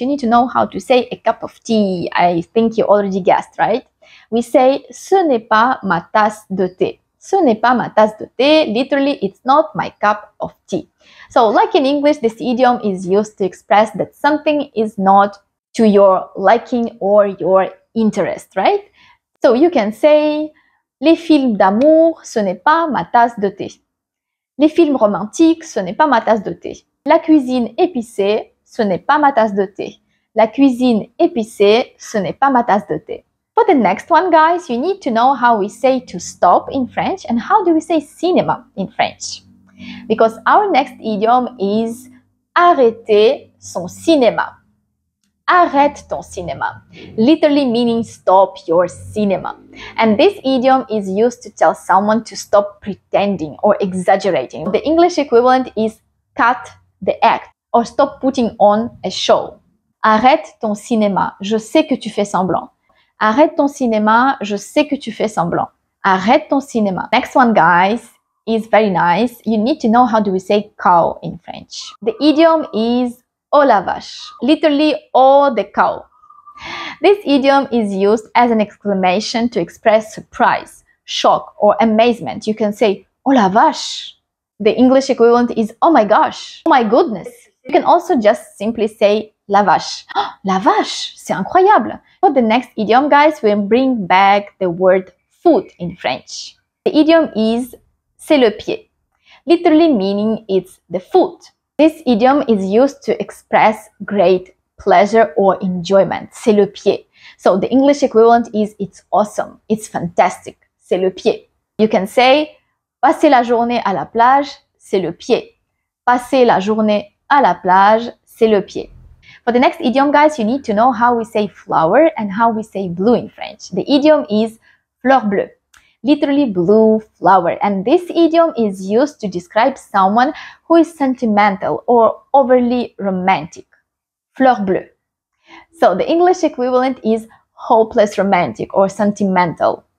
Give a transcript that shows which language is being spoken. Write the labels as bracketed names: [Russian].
[English] You need to know how to say a cup of tea. I think you already guessed, right? We say, [French] ce n'est pas ma tasse de thé. Ce n'est pas ma tasse de thé. [English] Literally, it's not my cup of tea. So, like in English, this idiom is used to express that something is not to your liking or your interest, right? So, you can say, [French] les films d'amour, ce n'est pas ma tasse de thé. Les films romantiques, ce n'est pas ma tasse de thé. La cuisine épicée, ce n'est pas ma tasse de thé. La cuisine épicée, ce n'est pas ma tasse de thé. [English] For the next one, guys, you need to know how we say to stop in French and how do we say cinéma in French. Because our next idiom is [French] arrêter son cinéma. Arrête ton cinéma. [English] Literally meaning stop your cinéma. And this idiom is used to tell someone to stop pretending or exaggerating. The English equivalent is cut the act or stop putting on a show. [French] Arrête ton cinéma. Je sais que tu fais semblant. Arrête ton cinéma, je sais que tu fais semblant. Arrête ton cinéma. [English] Next one, guys, is very nice, you need to know how do we say cow in French. The idiom is au lavage, literally au de cow. This idiom is used as an exclamation to express surprise, shock, or amazement. You can say au lavage. The English equivalent is oh my gosh, oh my goodness. You can also just simply say [French] la vache. La vache, c'est incroyable. [English] For the next idiom, guys, we'll bring back the word foot in French. The idiom is [French] c'est le pied, [English] literally meaning it's the foot. This idiom is used to express great pleasure or enjoyment. [French] C'est le pied. [English] So the English equivalent is it's awesome, it's fantastic. [French] C'est le pied. [English] You can say [French] passer la journée à la plage, c'est le pied. Passer la journée à la plage, c'est le pied. [English] For the next idiom, guys, you need to know how we say flower and how we say blue in French. The idiom is fleur bleue, literally blue flower. And this idiom is used to describe someone who is sentimental or overly romantic. Fleur bleue. So the English equivalent is hopeless romantic or sentimental.